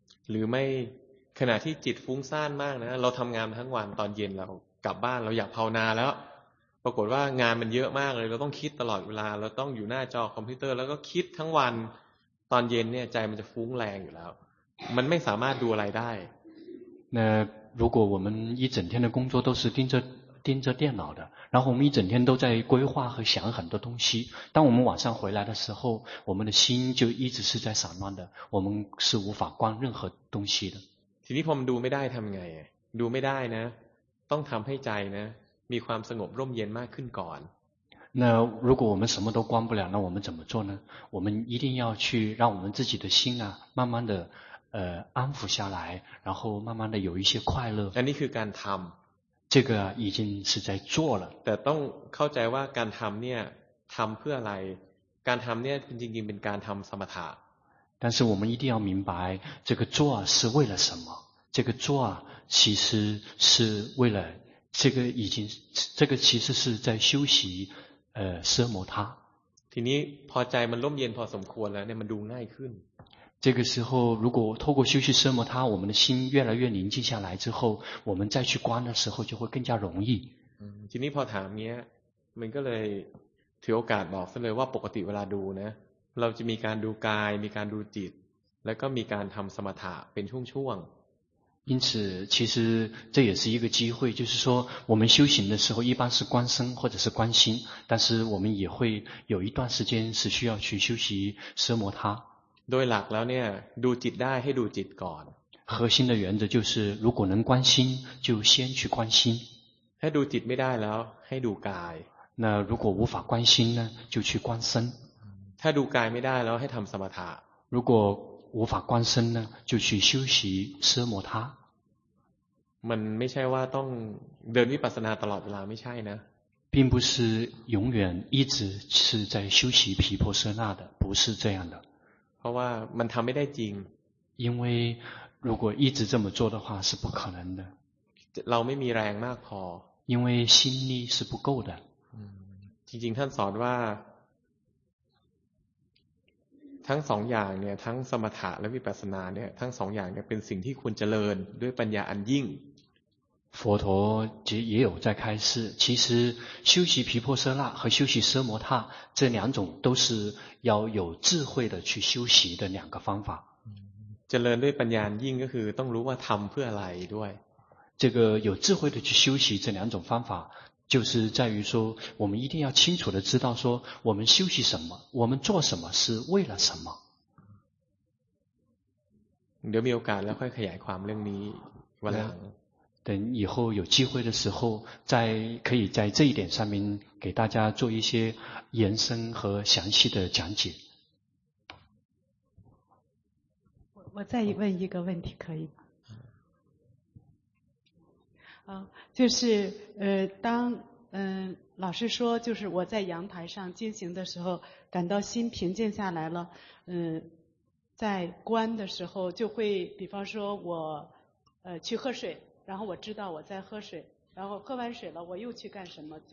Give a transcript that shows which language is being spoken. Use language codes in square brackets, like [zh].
[th] หรือไม่ขณะที่จิตฟุ้งซ่านมากนะเราทำงานทั้งวันตอนเย็นเรากลับบ้านเราอยากภาวนาแล้วปรากฏว่างานมันเยอะมากเลยเราต้องคิดตลอดเวลาเราต้องอยู่หน้าจอคอมพิวเตอร์แล้วก็คิดทั้งวันตอนเย็นเนี่ยใจมันจะฟุ้งแรงอยู่แล้วมันไม่สามารถดูอะไรได้ [zh] เน่如果我们一整天的工作都是盯着电脑的然后我们一整天都在规划和想很多东西当我们晚上回来的时候我们的心就一直是在散乱的我们是无法观任何东西的 [th] ทีนี้พอมันดูไม่ได้ทำไงดูไม่ได้นะต้องทำให้ใจนะ มีความสงบร่มเย็นมากขึ้นก่อน [zh] 那如果我们什么都关不了那我们怎么做呢我们一定要去让我们自己的心啊慢慢的安抚下来然后慢慢的有一些快乐 [th] 那นี่คือการทำ [zh] 这个已经是在做了 [th] แต่ต้องเข้าใจว่าการทำเนี่ยทำเพื่ออะไรการทำเนี่ยจริงๆเป็นการทำสมถะ [zh] 但是我们一定要明白这个做是为了什么这个做其实是为了这个已经这个其实是在修习奢摩他 [th] ทีนี้พอใจมันร่มเย็นพอสมควรแล้วเนี่ยมันดูง่ายขึ้น [zh] 这个时候如果透过修习奢摩他我们的心越来越宁静下来之后我们再去观的时候就会更加容易 [th] ทีนี้พอถามเนี้ยมันก็เลยถือโอกาสบอกซะเลยว่าปกติเวลาดูนะเราจะมีการดูกายมีการดูจิตแล้วก็มีการทำสมถะเป็นช่วง [zh] ๆ因此其实这也是一个机会就是说我们修行的时候一般是观身或者是观心但是我们也会有一段时间是需要去修习奢摩他 [th] โดยหลักแล้วเนี่ยดูจิตได้ให้ดูจิตก่อน [zh] 核心的原则就是如果能观心就先去观心 [th] ถ้าดูจิตไม่ได้แล้วให้ดูกาย [zh] 那如果无法观心呢就去观身 [th] ถ้าดูกายไม่ได้แล้วให้ทำสมถะ [zh] 如果无法观身呢就去修习奢摩他 [th] มันไม่ใช่ว่าต้องเดินวิปัสสนาตลอดเวลาไม่ใช่นะ [zh] 并不是永远一直是在修习毗婆舍那的不是这样的 [th] เพราะว่ามันทำไม่ได้จริง [zh] 因为如果一直这么做的话是不可能的 [th] เราไม่มีแรงมากพ [zh] อ因为心力是不够的 [th] จริงๆท่านสอนว่าทั้งสองอย่างเนี่ยทั้งสมถะและวิปัสสนาเนี่ยทั้งสองอย่างเนี่ยเป็นสิ่งที่ควรเจริญด้วยปัญญาอันยิ่ง [zh] 佛陀也有在开示其实修习毗婆舍那和修习奢摩他这两种都是要有智慧的去修习的两个方法 [th] เจริญด้วยปัญญาอันยิ่งก็คือต้องรู้ว่าทำเพื่ออะไรด้วย [zh] 这个有智慧的去修习这两种方法就是在于说我们一定要清楚的知道说我们修习什么我们做什么是为了什么 [th] เดี๋ยวมีโอกาสแล้วค่อยขยายความเรื่องนี้วันหลัง [zh] 等以后有机会的时候再可以在这一点上面给大家做一些延伸和详细的讲解我再问一个问题可以吗啊，就是当老师说，就是我在阳台上进行的时候，感到心平静下来了，在观的时候就会，比方说我去喝水，然后我知道我在喝水，然后喝完水了，我又去干什么？